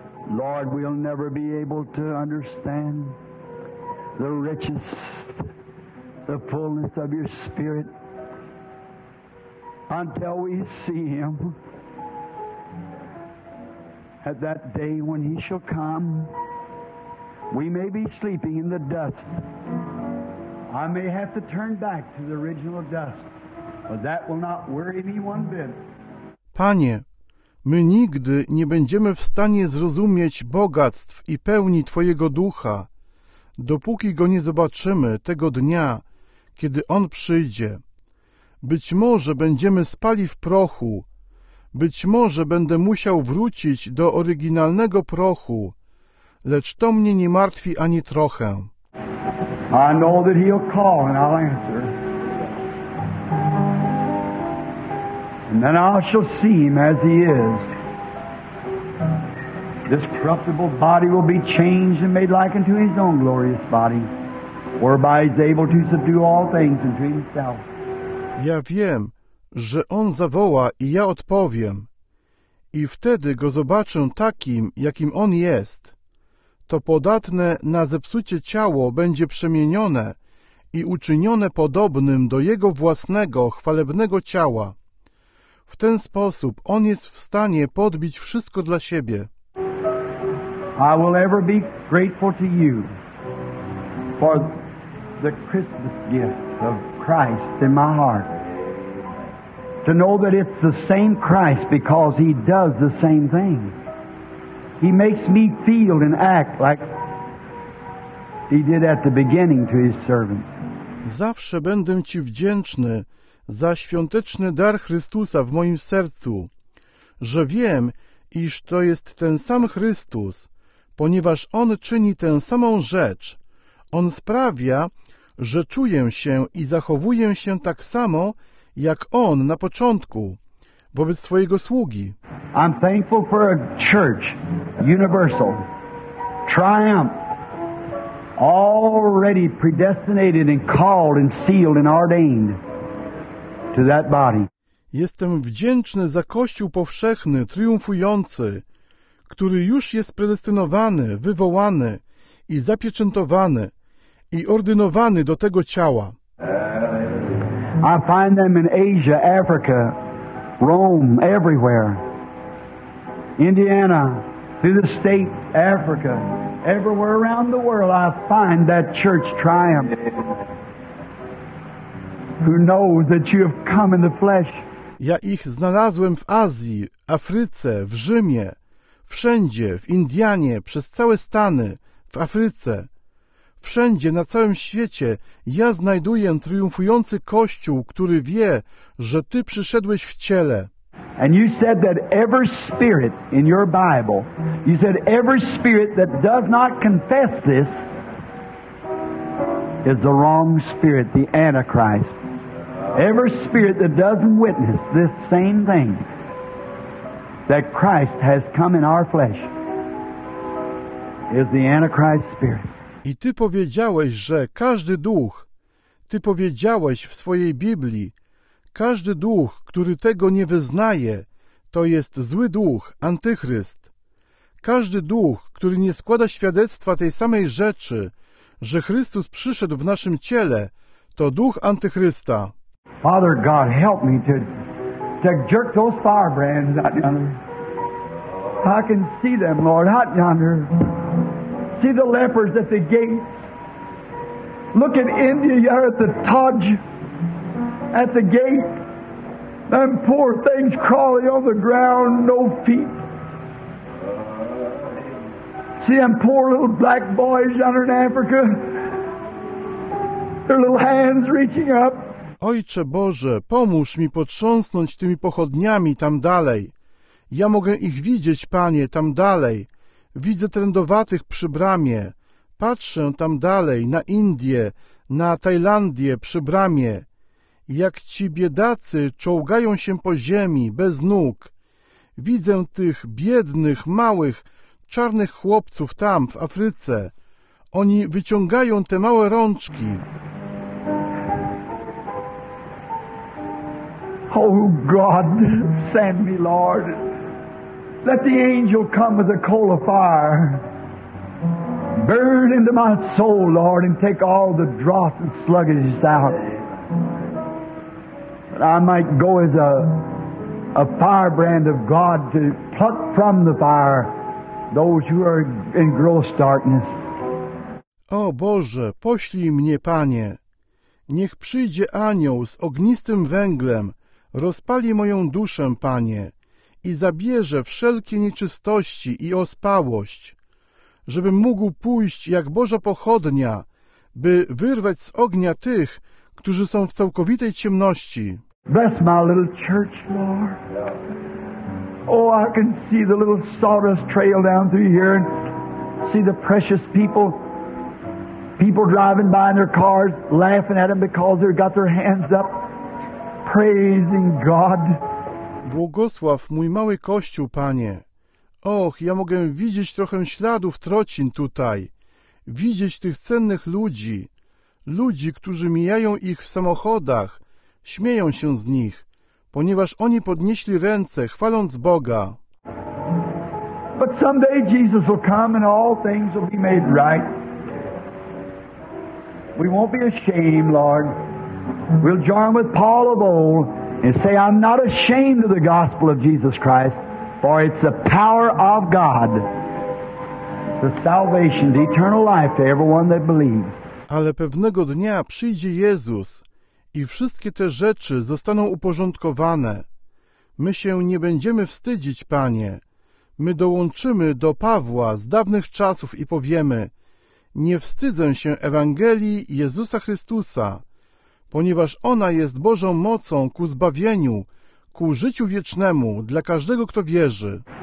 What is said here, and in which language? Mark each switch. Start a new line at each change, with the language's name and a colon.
English: Lord, we'll never be able to understand the riches, the fullness of your Spirit until we see him at that day when he shall come. We may be sleeping in the dust. I may have to turn back to the original dust, but that will not worry me one bit.
Polish: Panie, my nigdy nie będziemy w stanie zrozumieć bogactw i pełni Twojego Ducha, dopóki Go nie zobaczymy tego dnia, kiedy On przyjdzie. Być może będziemy spali w prochu, być może będę musiał wrócić do oryginalnego prochu, lecz to mnie nie martwi ani trochę.
English: I know that he'll call and I'll answer. And then I shall see him as he is. This corruptible body will be changed and made like unto his own glorious body, whereby he's able to subdue all things unto himself.
Polish: Ja wiem, że on zawoła i ja odpowiem. I wtedy go zobaczę takim, jakim on jest. To podatne na zepsucie ciało będzie przemienione i uczynione podobnym do jego własnego, chwalebnego ciała. W ten sposób on jest w stanie podbić wszystko dla siebie.
English: I will ever be grateful to you for the Christmas gift of Christ in my heart. To know that it's the same Christ because he does the same thing. He makes me feel and act like he did at the beginning to his servants.
Polish: Zawsze będę Ci wdzięczny za świąteczny dar Chrystusa w moim sercu, że wiem, iż to jest ten sam Chrystus, ponieważ On czyni tę samą rzecz. On sprawia, że czuję się i zachowuję się tak samo, jak On na początku, wobec swojego sługi.
English: I'm thankful for a church, universal, triumph, already predestinated and called and sealed and ordained to that body.
Polish: Jestem wdzięczny za Kościół powszechny, triumfujący, który już jest predestynowany, wywołany i zapieczętowany i ordynowany do tego ciała.
English: I find them in Asia, Africa, Rome, everywhere. Indiana, through the States, Africa, everywhere around the world, I find that church triumph. Who knows that you have come in the flesh?
Polish: Ja ich znalazłem w Azji, Afryce, w Rzymie, wszędzie, w Indianie, przez całe Stany, w Afryce. Wszędzie, na całym świecie, ja znajduję triumfujący Kościół, który wie, że Ty przyszedłeś w ciele.
English: And you said that every spirit in your Bible, you said every spirit that does not confess this is the wrong spirit, the Antichrist. Every spirit that doesn't witness this same thing, that Christ has come in our flesh, is the Antichrist spirit.
Polish: I Ty powiedziałeś, że każdy duch, Ty powiedziałeś w swojej Biblii, każdy duch, który tego nie wyznaje, to jest zły duch, antychryst. Każdy duch, który nie składa świadectwa tej samej rzeczy, że Chrystus przyszedł w naszym ciele, to duch antychrysta.
English: Father God, help me to jerk those firebrands out yonder. I can see them, Lord, out yonder. See the lepers at the gates. Look at India, you're at the Taj, at the gate. Them poor things crawling on the ground, no feet. See them poor little black boys down in Africa. Their little hands reaching up.
Polish: Ojcze Boże, pomóż mi potrząsnąć tymi pochodniami tam dalej. Ja mogę ich widzieć, Panie, tam dalej. Widzę trędowatych przy bramie. Patrzę tam dalej, na Indie, na Tajlandię przy bramie. Jak ci biedacy czołgają się po ziemi, bez nóg. Widzę tych biednych, małych, czarnych chłopców tam, w Afryce. Oni wyciągają te małe rączki.
English: Oh God, send me, Lord. Let the angel come with a coal of fire. Burn into my soul, Lord, and take all the dross and sluggishness out. That I might go as a firebrand of God to pluck from the fire those who are in gross darkness.
Polish: O Boże, poślij mnie, Panie. Niech przyjdzie anioł z ognistym węglem, rozpali moją duszę, Panie, i zabierze wszelkie nieczystości i ospałość, żebym mógł pójść jak Boża pochodnia, by wyrwać z ognia tych, którzy są w całkowitej ciemności.
English: Bless my little church, Lord. Oh, I can see the little sawdust trail down through here and see the precious people. People driving by in their cars, laughing at them because they've got their hands up, praising God.
Polish: Błogosław mój mały kościół, Panie. Och, ja mogę widzieć trochę śladów trocin tutaj. Widzieć tych cennych ludzi. Ludzi, którzy mijają ich w samochodach. Śmieją się z nich, ponieważ oni podnieśli ręce, chwaląc Boga.
English: But someday Jesus will come and all things will be made right. We won't be ashamed, Lord. We'll join with Paul of old and say, I'm not ashamed of the gospel of Jesus Christ, for it's the power of God, the salvation, the eternal life to everyone that believes.
Polish: Ale pewnego dnia przyjdzie Jezus i wszystkie te rzeczy zostaną uporządkowane. My się nie będziemy wstydzić, Panie. My dołączymy do Pawła z dawnych czasów i powiemy, nie wstydzę się Ewangelii Jezusa Chrystusa, ponieważ ona jest Bożą mocą ku zbawieniu, ku życiu wiecznemu dla każdego, kto wierzy.